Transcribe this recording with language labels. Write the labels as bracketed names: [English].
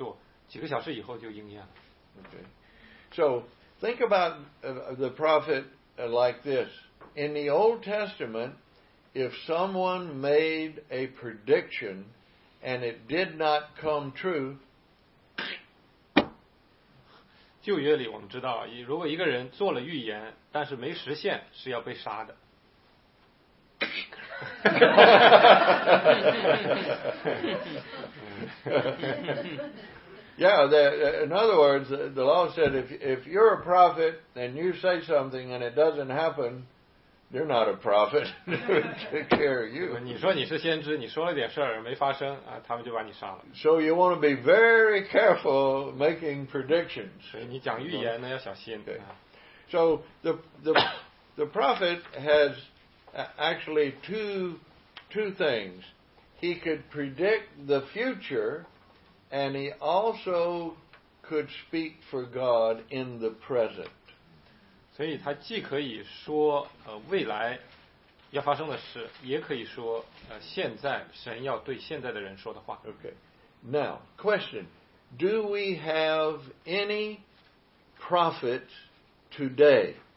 [Chinese] 就像我们前面学到的约沙法，他要跟敌人打仗的时候，先知告诉他你要去哪，该怎么做，几个小时以后就应验了。 [English] Okay. So think about the prophet like this. In the Old Testament, if someone made a prediction and it did not come true, [Chinese] 旧约里我们知道，如果一个人做了预言，但是没实现，是要被杀的。 [English] In other words, the law said if you're a prophet and you say something and it doesn't happen, you're not a prophet. Take care of you. [Chinese] 你说你是先知，你说了点事儿没发生啊，他们就把你杀了。 [English] So you want to be very careful making predictions. [Chinese] 所以你讲预言呢要小心。对。 [English] So the prophet has actually two things. He could predict the future, and he also could speak for God in the present. [Chinese] 所以他既可以说未来要发生的事，也可以说现在神要对现在的人说的话。 [English] Okay. Now, question. Do we have any prophets today?